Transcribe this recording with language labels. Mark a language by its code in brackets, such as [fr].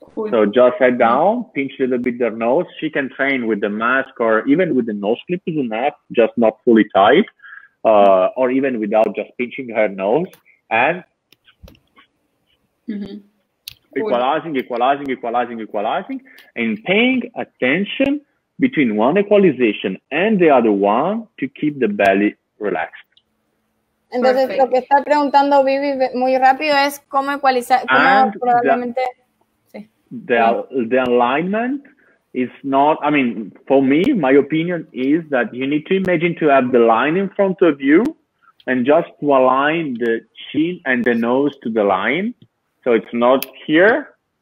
[en] So just head down, pinch a little bit their nose. She can train with the mask or even with the nose clip is enough, just not fully tight, or even without just pinching her nose. And equalizing. And paying attention between one equalization and the other one to keep the belly relaxed. [es] Entonces, lo que está preguntando Vivi muy rápido es cómo equalizar, probablemente... [en] The alignment is not, I mean, for me, my opinion is that you need to imagine to have the line in front of you and just to align the chin and the nose to the line. So it's not here,